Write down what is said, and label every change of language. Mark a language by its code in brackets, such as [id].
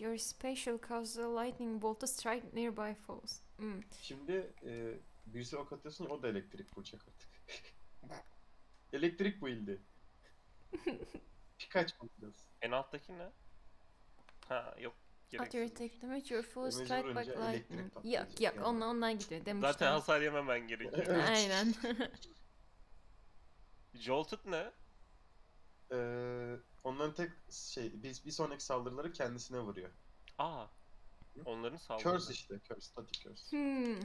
[en] Your special causes a lightning bolt to strike nearby foes. Mm. [tr] Şimdi birisi ok atıyorsun ya, o da elektrik bulacak artık. Elektrik build'i. Pikaç bulacağız. En alttaki ne? Ha yok. [en] At your attack damage, your foes strike back lightning. [tr] Yok yok yani. Ondan gidiyor demiştim. Zaten hasar yememen gerekiyor. Aynen. Jolted ne? Onların tek şey, bir sonraki saldırıları kendisine vuruyor. Aa. Onların sağlığı. [en] Curse işte, curse, static curse.